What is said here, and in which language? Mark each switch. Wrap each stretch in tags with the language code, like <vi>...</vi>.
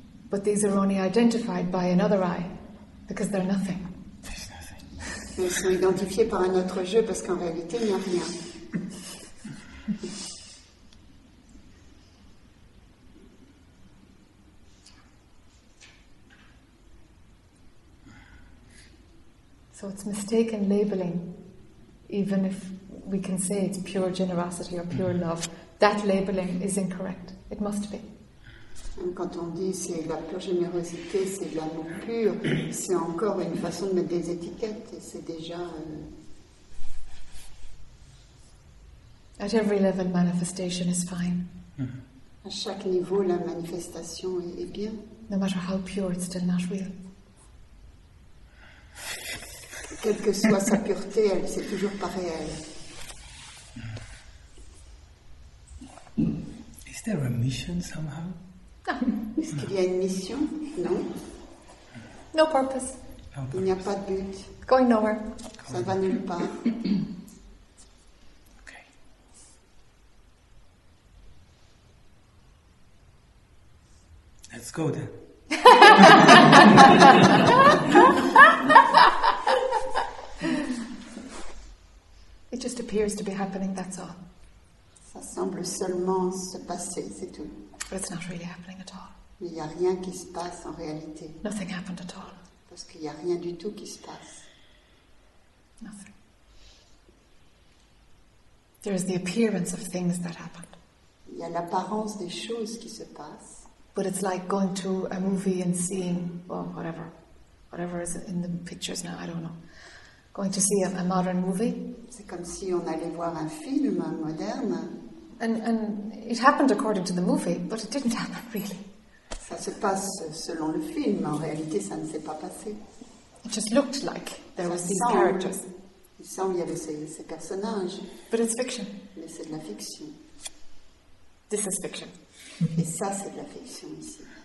<en>But these are only identified by another I, because they're nothing.</en> <fr>Ils sont identifiés par un autre jeu parce qu'en réalité, il n'y a rien.</fr> <en>So it's mistaken labeling, even if we can say it's pure generosity or pure love, that labeling is incorrect. It must be.</en> <fr>Et quand on dit c'est la pure générosité, c'est l'amour pur, c'est encore une façon de mettre des étiquettes. Et c'est déjà.</fr> <en>At every level, manifestation is fine.</en> <fr>À chaque niveau, la manifestation est bien.</fr> <en>No matter how pure, it's still not real.</en> <fr>Quelle que soit sa pureté, elle c'est toujours pas réel.</fr> <en>Is there a mission somehow?</en> <fr>Est-ce qu'il y a une mission? Non.</fr> <en>No purpose.</en> <fr>Il n'y a pas de but.</fr> <en>Going nowhere.</en> <fr>Ça ne va nulle part.</fr> <en>Okay. A let's go then. It just appears to be happening, that's all.</en> <fr>Ça semble seulement se passer, c'est tout.</fr> <en>But it's not really happening at all.</en> <fr>Il n'y a rien qui se passe en réalité.</fr> <en>Nothing happened at all.</en> <fr>Parce qu'il n'y a rien du tout qui se passe.</fr> <en>Nothing. There is the appearance of things that happen.</en> <fr>Il y a l'apparence des choses qui se passent.</fr> <en>But it's like going to a movie and seeing, well, whatever. Whatever is in the pictures now, I don't know. Going to see a modern movie.</en> <fr>C'est comme si on allait voir un film moderne.</fr> <en>And it happened according to the movie, but it didn't happen really.</en> <fr>Ça se passe selon le film, mais en réalité ça ne s'est pas passé.</fr> <en>It just looked like there ça was these characters.</en> <fr>Il semble qu'il y avait ces personnages.</fr> <en>But it's fiction.</en> <fr>Mais c'est de la fiction.</fr> <en>This is fiction.</en> <fr>Et ça, c'est de la fiction ici.</fr>